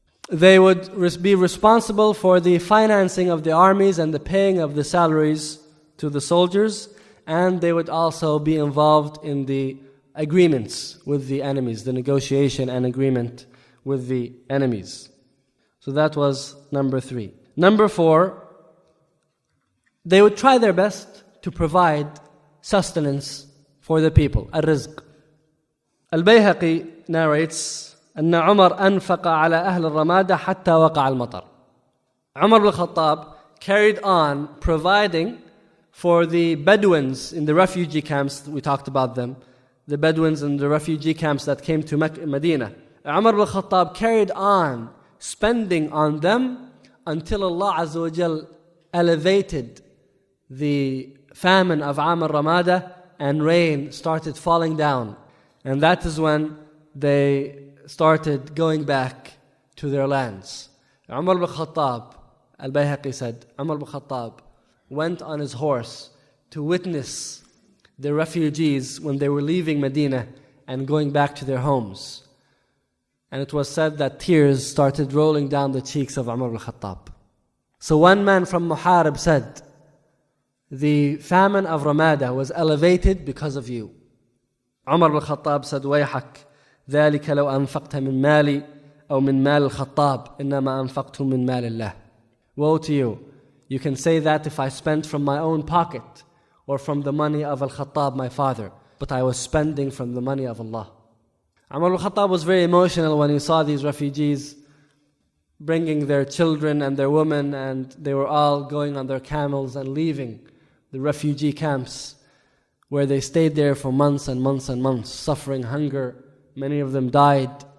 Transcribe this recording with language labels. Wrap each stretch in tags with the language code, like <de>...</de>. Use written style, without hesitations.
<en>They would be responsible for the financing of the armies and the paying of the salaries to the soldiers, and they would also be involved in the agreements with the enemies, the negotiation and agreement with the enemies. So that was number three. Number four, they would try their best to provide sustenance for the people, al-rizq. Al-Bayhaqi narrates,</en> <ar>أَنَّ عُمَرْ أَنْفَقَ عَلَىٰ أَهْلِ الرَّمَادَ حَتَّى وَقَعَ الْمَطَرِ.</ar> <en>Umar al-Khattab carried on providing for the Bedouins in the refugee camps. We talked about them, the Bedouins in the refugee camps that came to Medina. Umar al-Khattab carried on spending on them until Allah Azza wa Jal elevated the famine of Aam al-Ramada and rain started falling down. And that is when they started going back to their lands. Umar al-Khattab, al-Bayhaqi said, Umar al-Khattab went on his horse to witness the refugees when they were leaving Medina and going back to their homes. And it was said that tears started rolling down the cheeks of Umar al-Khattab. So one man from Muharib said, the famine of Ramada was elevated because of you. Umar al-Khattab said,</en> <ar>وَيْحَكْ ذَلِكَ لَوْ أَنْفَقْتَ مِنْ مَالِي أَوْ مِنْ مَالِ الْخَطَّابِ إِنَّمَا أَنْفَقْتُ مِنْ مَالِ اللَّهِ.</ar> <en>Woe to you. You can say that if I spent from my own pocket or from the money of al-Khattab, my father. But I was spending from the money of Allah. Umar al-Khattab was very emotional when he saw these refugees bringing their children and their women, and they were all going on their camels and leaving the refugee camps where they stayed there for months and months and months, suffering hunger. Many of them died.</en>